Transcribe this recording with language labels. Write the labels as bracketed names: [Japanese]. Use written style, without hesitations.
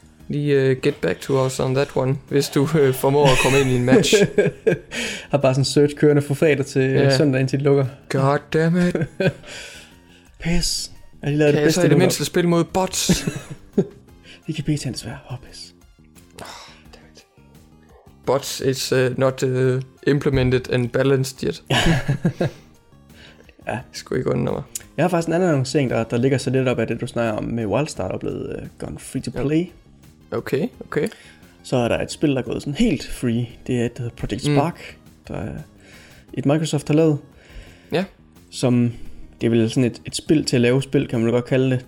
[Danish] Lige [English] get back to us on that one, [Danish] hvis du formår at komme ind i en match. Har bare sådan search kørende fra fredag til søndag, indtil det lukker. [English] God damn it. [Danish] Pis. Kan jeg det bedste, så i det mindste spille mod bots? Vi kan beta'en desværre. Åh, pis. [English] Bots is not implemented and balanced yet. [Danish] Ja. Sgu ikke under mig. Jeg har faktisk en anden annoncering, der ligger så lidt op af det, du snakker om med Wildstar, der er blevet [English] gone free to play. [Danish] Okay, okay. Så er der et spil, der er gået sådan helt free. Det er et Project Spark, der er et Microsoft har lavet. Ja. Som, det er vel sådan et spil til at lave spil, kan man godt kalde det.